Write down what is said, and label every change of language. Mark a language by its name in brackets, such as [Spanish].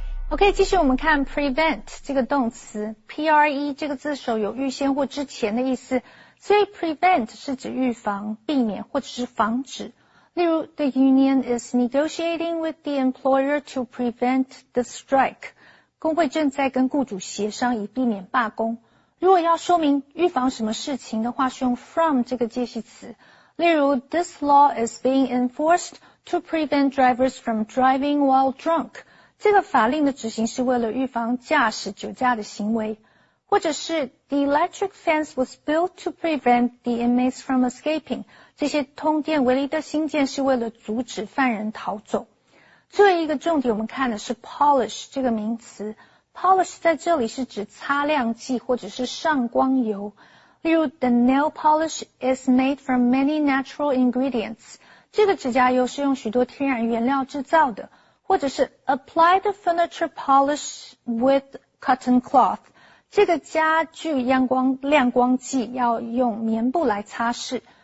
[Chinese] OK, 继续我们看 prevent 这个动词 PRE 这个字首有预先或之前的意思，所以 prevent 是指预防、避免或者是防止。例如 [English] The union is negotiating with the employer to prevent the strike. [Chinese] 工会正在跟雇主协商以避免罢工。如果要说明预防什么事情的话，是用 from 这个介系词。例如 [English] This law is being enforced to prevent drivers from driving while drunk. [Chinese] 这个法令的执行是为了预防驾驶酒驾的行为，或者是 [English] The electric fence was built to prevent the inmates from escaping. [Chinese] 这些通电围篱的新建是为了阻止犯人逃走。最后一个重点我们看的是 polish 这个名词。 polish 在这里是指擦亮剂或者是上光油。例如 [English] The nail polish is made from many natural ingredients. [Chinese] 这个指甲油是用许多天然原料制造的。或者是 [English] apply the furniture polish with cotton cloth. [Chinese] 这个家具亮光剂要用棉布来擦拭。